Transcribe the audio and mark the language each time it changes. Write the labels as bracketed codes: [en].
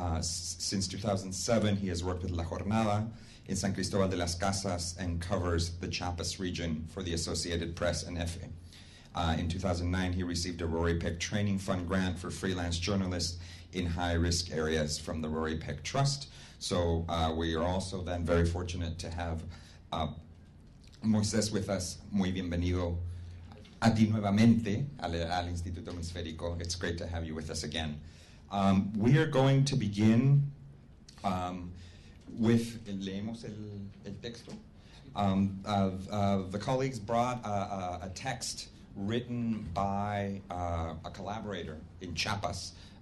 [en] Since 2007, he has worked with La Jornada in San Cristóbal de las Casas and covers the Chiapas region for the Associated Press and EFE. In 2009, he received a Rory Peck Training Fund grant for freelance journalists in high-risk areas from the Rory Peck Trust. So we are also then very fortunate to have Moisés with us. [es] Muy bienvenido a ti nuevamente al Instituto Hemisférico. [en] It's great to have you with us again. We are going to begin with, [es] leemos el texto. [en] The colleagues brought a text written by a collaborator in Chiapas.